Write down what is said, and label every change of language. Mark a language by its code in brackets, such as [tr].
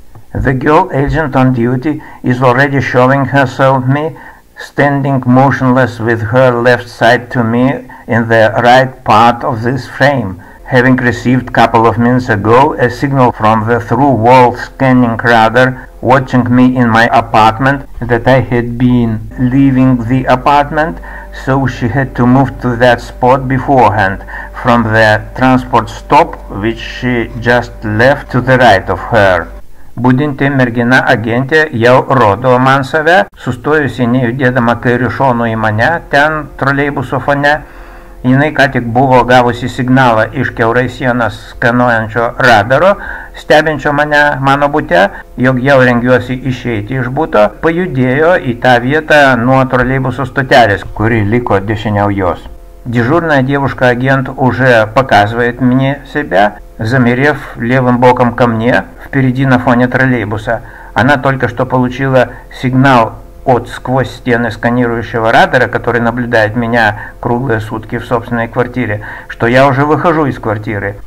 [en] The girl agent on duty is already showing herself me, standing motionless with her left side to me in the right part of this frame, having received couple of minutes ago a signal from the through wall scanning radar watching me in my apartment that I had been leaving the apartment, so she had to move to that spot beforehand from the transport stop which she just left to the right of her. [lt] Budinti mergina agentė jau rodo man save, sustojusi nejudėdama kairių šonų į mane, ten troleibuso fone. Jinai ką tik buvo gavusi signalą iš keurai sienas skanuojančio radaro, stebinčio mane mano bute, jog jau rengiuosi išeiti iš buto, pajudėjo į tą vietą nuo troleibuso stotelės, kuri liko dešiniau jos. [ru] Дежурная девушка агент уже показывает мне себя, замерев левым боком ко мне, впереди на фоне троллейбуса. Она только что получила сигнал от сквозь стены сканирующего радара, который наблюдает меня круглые сутки в собственной квартире, что я уже выхожу из квартиры.